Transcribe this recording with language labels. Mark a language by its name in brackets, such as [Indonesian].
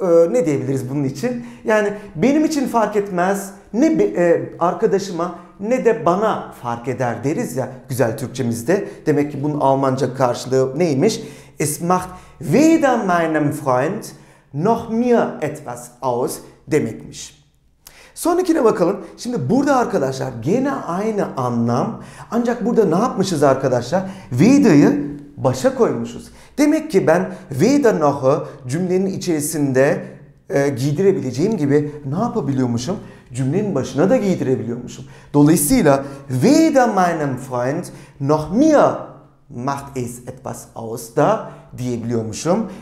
[Turkish] Ne diyebiliriz bunun için? Yani benim için fark etmez ne arkadaşıma ne de bana fark eder deriz ya güzel Türkçemizde. Demek ki bunun Almanca karşılığı neymiş? [German] Es macht weder meinem Freund noch mir etwas aus [Turkish] demekmiş. Sonrakine bakalım. Şimdi burada arkadaşlar gene aynı anlam. Ancak burada ne yapmışız arkadaşlar? Weder'ı başa koymuşuz. Demek ki ben weder noch'ı cümlenin içerisinde giydirebileceğim gibi ne yapabiliyormuşum? Cümlenin başına da giydirebiliyormuşum. Dolayısıyla [German] weder meinem Freund noch mir macht es etwas aus [Turkish] da diyebiliyormuşum.